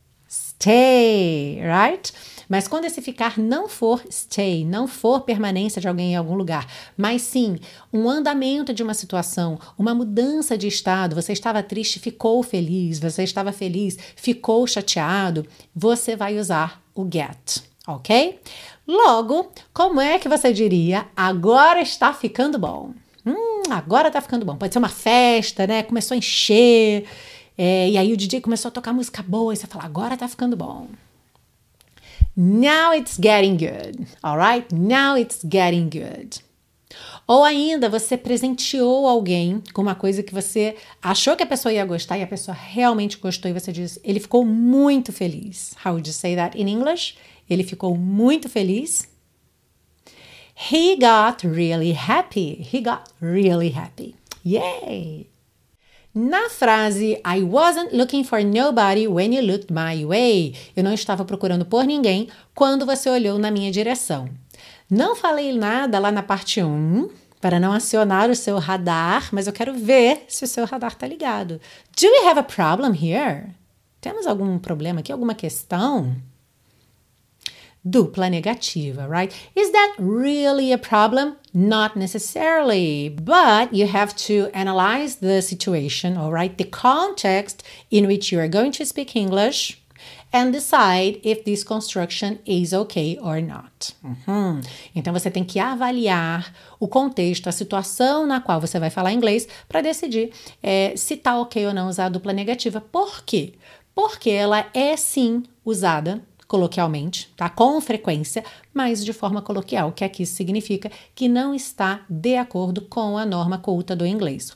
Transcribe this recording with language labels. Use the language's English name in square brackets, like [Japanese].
[English] Stay, right? [Portuguese] Mas quando esse ficar não for stay, não for permanência de alguém em algum lugar, mas sim um andamento de uma situação, uma mudança de estado, você estava triste, ficou feliz, você estava feliz, ficou chateado, você vai usar o get, ok? Logo, como é que você diria, agora está ficando bom? Agora está ficando bom. Pode ser uma festa, né? Começou a encher, e aí o DJ começou a tocar música boa, e você fala, agora está ficando bom. [English] Now it's getting good, alright? Now it's getting good. [Portuguese] Ou ainda, você presenteou alguém com uma coisa que você achou que a pessoa ia gostar e a pessoa realmente gostou e você diz, ele ficou muito feliz. [English] How would you say that in English? [Portuguese] Ele ficou muito feliz. [English] He got really happy. He got really happy. Yay! [Portuguese] Na frase, [English] I wasn't looking for nobody when you looked my way. [Portuguese] Eu não estava procurando por ninguém quando você olhou na minha direção. Não falei nada lá na parte 1, para não acionar o seu radar, mas eu quero ver se o seu radar está ligado. [English] Do we have a problem here? [Portuguese] Temos algum problema aqui, alguma questão? Dupla negativa, [English] right? Is that really a problem? Not necessarily, but you have to analyze the situation, all right? The context in which you are going to speak English and decide if this construction is okay or not. Uhum. [Portuguese] Então, você tem que avaliar o contexto, a situação na qual você vai falar inglês para decidir se está ok ou não usar a dupla negativa. Por quê? Porque ela é, sim, usada coloquialmente, tá? Com frequência, mas de forma coloquial, o que aqui significa que não está de acordo com a norma culta do inglês.